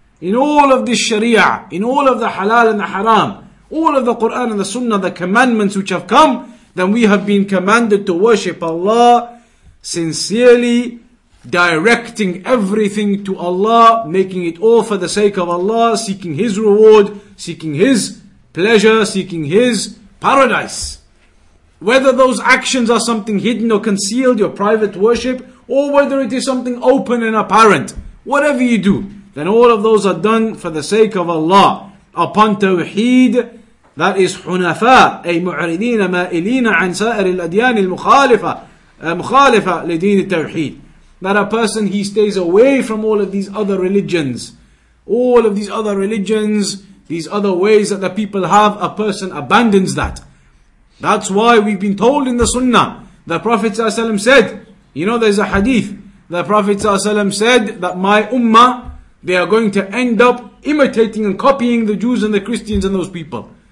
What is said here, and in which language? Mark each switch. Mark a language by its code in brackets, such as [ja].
[en] In all of this Sharia, in all of the halal and the haram, all of the Quran and the Sunnah, the commandments which have come, then we have been commanded to worship Allah sincerely, directing everything to Allah, making it all for the sake of Allah, seeking His reward, seeking His pleasure, seeking His paradise. Whether those actions are something hidden or concealed, your private worship, or whether it is something open and apparent, whatever you do, then all of those are done for the sake of Allah. Upon Tawheed, that is Hunafa, [ar] أي معرضين مائلين عن سائر الأديان المخالفة مخالفة لدين التوحيد. [en] That a person, he stays away from all of these other religions. All of these other religions, these other ways that the people have, a person abandons that. That's why we've been told in the Sunnah, the Prophet ﷺ said, you know there's a hadith, the Prophet ﷺ said that my ummah, they are going to end up imitating and copying the Jews and the Christians and those people.